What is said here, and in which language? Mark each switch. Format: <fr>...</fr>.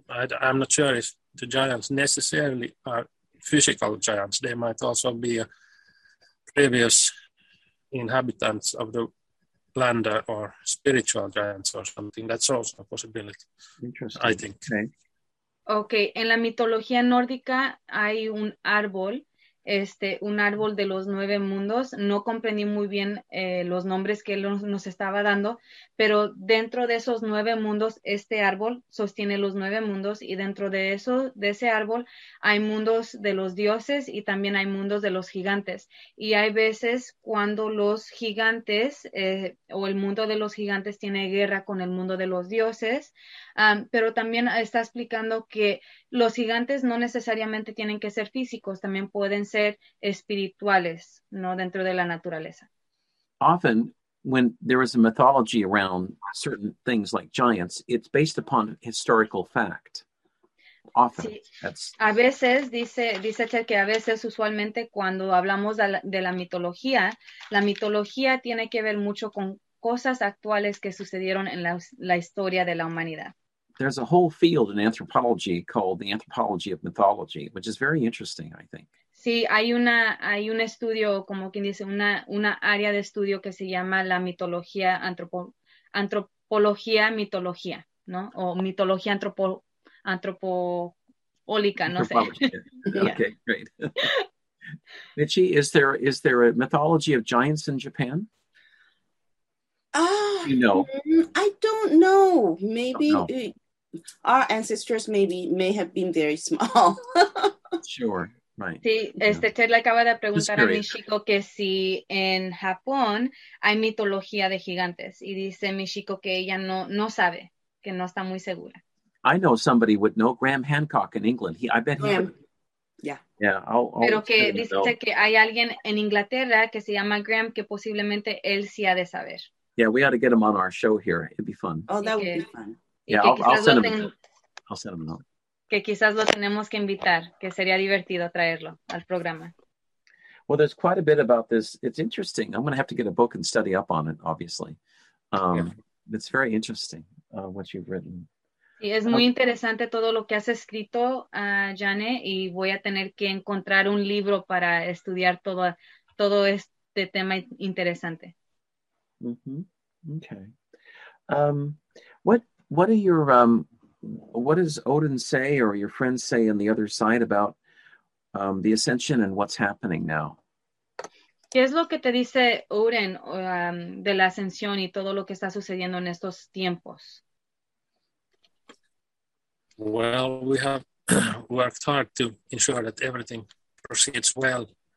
<en>I'm not sure if the giants necessarily are physical giants. They might also be previous inhabitants of the land or spiritual giants or something. That's also a possibility, interesting, I think. Okay.</en> <es>En la mitología nórdica hay un árbol, un árbol de los nueve mundos. No comprendí muy bien los nombres que él nos estaba dando, pero dentro de esos nueve mundos, este árbol sostiene los nueve mundos, y dentro de eso, de ese árbol, hay mundos de los dioses y también hay mundos de los gigantes. Y hay veces cuando los gigantes o el mundo de los gigantes tiene guerra con el mundo de los dioses, pero también está explicando que los gigantes no necesariamente tienen que ser físicos, también pueden ser espirituales, ¿no? Dentro de la naturaleza.</es> <en>Often, when there is a mythology around certain things like giants, it's based upon historical fact. Often,</en> <es>sí. A veces, dice Ted, que a veces, usualmente, cuando hablamos de la mitología tiene que ver mucho con cosas actuales que sucedieron en la historia de la humanidad.</es> <en>There's a whole field in anthropology called the anthropology of mythology, which is very interesting, I think.</en> <es>Sí, hay un estudio, como quien dice, una área de estudio que se llama la mitología, antropología, mitología, ¿no? O mitología antropólica, no sé.</es> <en>Okay, great. Michi, is there a mythology of giants in Japan? I don't know. Maybe our ancestors may have been very small. Sure. Right.</en> <es>Sí, Ted le acaba de preguntar a mi chico que si en Japón hay mitología de gigantes, y dice mi chico que ella no sabe, que no está muy segura.</es> <en>I know somebody would know Graham Hancock in England.</en> <es>Pero que dice que hay alguien en Inglaterra que se llama Graham que posiblemente él sí ha de saber.</es> <en>Yeah, we ought to get him on our show here. It'd be fun. Oh, that would be fun. Yeah, I'll send him a note.</en> <es>Que quizás lo tenemos que invitar, que sería divertido traerlo al programa.</es> <en>Well, there's quite a bit about this. It's interesting. I'm going to have to get a book and study up on it, obviously. It's very interesting, what you've written.</en> <es>Sí, es muy interesante todo lo que has escrito, Jane, y voy a tener que encontrar un libro para estudiar todo este tema interesante.</es> <en>Mm-hmm. Okay. What are your... what does Odin say, or your friends say on the other side, about the ascension and what's happening now?</en> <es>¿Qué es lo que te dice Odin de la ascensión y todo lo que está sucediendo en estos tiempos?</es> <en>Well, we have worked hard to ensure that everything proceeds well.</en>